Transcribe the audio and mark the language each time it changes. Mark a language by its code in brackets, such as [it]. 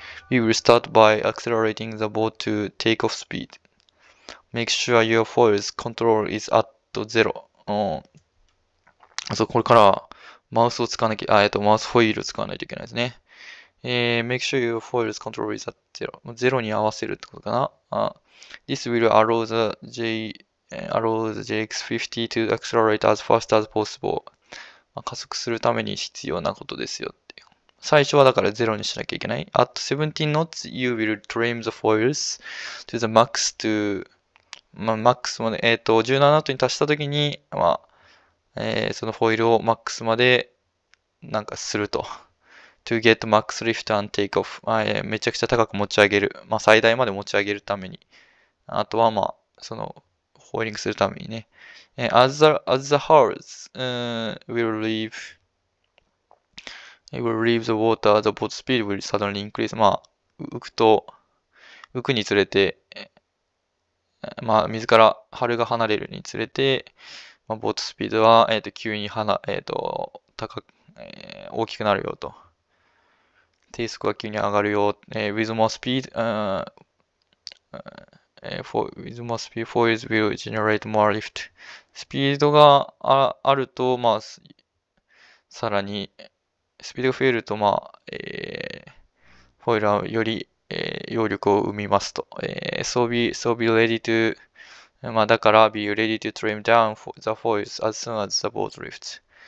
[en] We will start by accelerating the boat to take off speed. Make sure your foils control is at zero. [ja] そう、これから、マウスを使わなきゃ、あ、マウスホイールを使わないといけないですね。 [en] Make sure your foil's control is at 0。 [ja] 0に合わせるってことかな。 [en] This will allow the JX50 to accelerate as fast as possible。 [ja] まあ、加速するために必要なことですよっていう。最初はだから0にしなきゃいけない。 [en] At 17 knots, you will trim the foils to the max to、 [ja] まあ、max まで、17ノットに達したときに、まあ、そのフォイルをマックスまで、なんかすると。 [en] to get max lift and take off。 [ja] めちゃくちゃ高く持ち上げる。まあ、最大まで持ち上げるために。あとは、まあ、その、ホイリングするためにね。 [en] As the horse, will leave the water, the boat speed will suddenly increase. [ja] まあ、浮くにつれて、まあ、水から春が離れるにつれて、まあ、ボートスピードは、急にはな、えっと、高く、大きくなるよと。低速は急に上がるよ。 [en] with more speed, for, with more speed, foils will generate more lift. [ja] スピードがあると、まあ、さらに、スピードが増えると、まあ、フォイルはより、揚力を生みますと。 [en] So be ready to, [ja] まあ、だから、 [en] be ready to trim down for the foils as soon as the boat lifts.